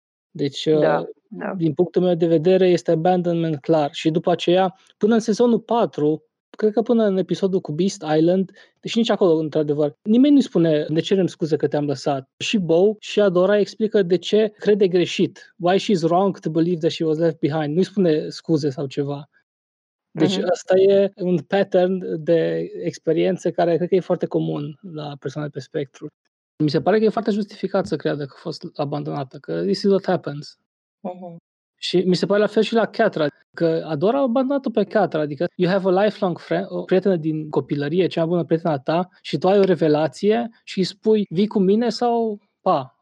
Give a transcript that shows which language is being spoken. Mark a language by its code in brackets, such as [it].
[ro] Deci, da, din punctul meu de vedere, este abandonment clar. Și după aceea, până în sezonul 4, cred că până în episodul cu Beast Island, deci nici acolo, într-adevăr, nimeni nu spune, ne cerem scuze că te-am lăsat. Și Beau și Adora explică de ce crede greșit. [en] Why she's wrong to believe that she was left behind. [ro] Nu-i spune scuze sau ceva. Deci asta e un pattern de experiență care cred că e foarte comun la persoanele pe spectru. Mi se pare că e foarte justificat să creadă că a fost abandonată, că [en] this is what happens. [ro] Și mi se pare la fel și la Catra, că Adora a abandonat-o pe Catra, adică [en] you have a lifelong friend, [ro] o prietenă din copilărie, cea mai bună prietena ta, și tu ai o revelație și îi spui, vii cu mine sau pa.